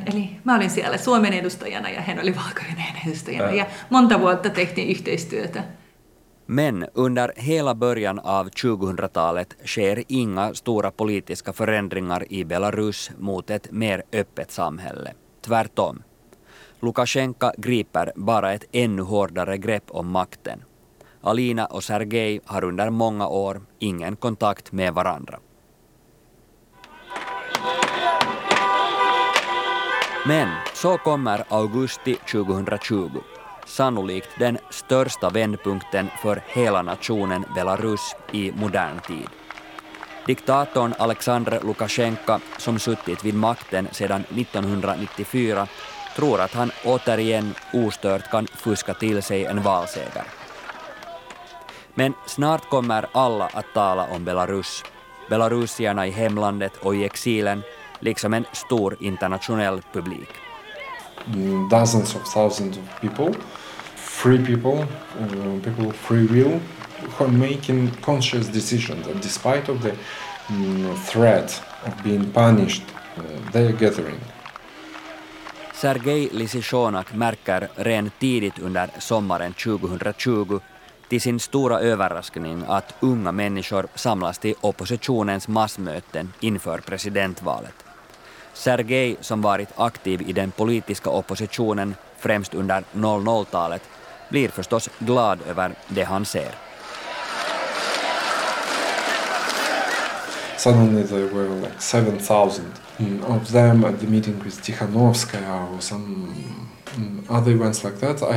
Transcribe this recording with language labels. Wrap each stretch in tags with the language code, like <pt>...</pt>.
<fi>Eli mä olin siellä Suomen edustajana ja hän oli Valko-Venäjän edustajana. Ja monta vuotta tehtiin yhteistyötä.</fi> <sv>Men under hela början av 2000-talet sker inga stora politiska förändringar i Belarus mot ett mer öppet samhälle. Tvärtom. Lukashenka griper bara ett ännu hårdare grepp om makten. Alina och Sergej har under många år ingen kontakt med varandra. Men så kommer augusti 2020. Sannolikt den största vändpunkten för hela nationen Belarus i modern tid. Diktatorn Alexander Lukashenko, som suttit vid makten sedan 1994, tror att han återigen ostört kan fuska till sig en valseger. Men snart kommer alla att tala om Belarus. Belarusierna i hemlandet och i exilen, liksom en stor internationell publik.</sv> <en>Dozens of thousands of people, free people, people of free will, who are making conscious decisions that despite of the threat of being punished, they are gathering.</en> <sv>Sergej Lisichonak märker redan tidigt under sommaren 2020 till sin stora överraskning att unga människor samlas till oppositionens massmöten inför presidentvalet. Sergej, som varit aktiv i den politiska oppositionen främst under 00-talet, blir förstås glad över det han ser.</sv> <en>Suddenly there were like 7,000 of them at the meeting with Tikhanovskaya or some other events like that.</en>